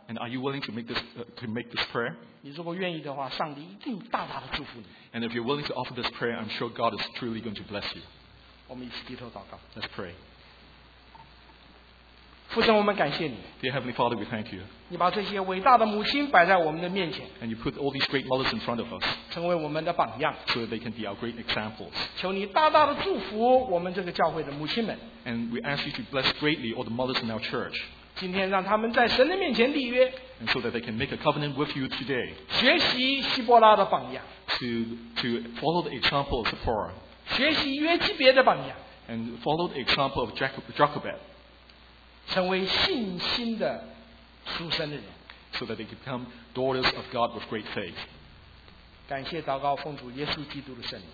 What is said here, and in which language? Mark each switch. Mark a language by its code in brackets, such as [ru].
[en] ？And are you willing to make this prayer? [zh] 你如果愿意的话，上帝一定大大的祝福你。 [en] And if you're willing to offer this prayer, I'm sure God is truly going to bless you. [zh] 我们一起低头祷告。 [en] Let's pray. [zh] 父神，我们感谢你。 [en] Dear Heavenly Father, we thank you. [zh] 你把这些伟大的母亲摆在我们的面前。 [en] And you put all these great mothers in front of us. [zh] 成为我们的榜样。 [en] So they can be our great examples. [zh] 求你大大的祝福我们这个教会的母亲们。 [en] And we ask you to bless greatly all the mothers in our church. [zh] 今天让他们在神的面前立约 [en] and so that they can make a covenant with you today [zh] 学习希伯拉的榜样 [en] to follow the example of Zipporah [zh] 学习约基别的榜样 [en] and follow the example of Jochebed [zh] 成为信心的属神的人 [en] so that they can become daughters of God with great faith [zh] 感谢祷告奉主耶稣基督的圣名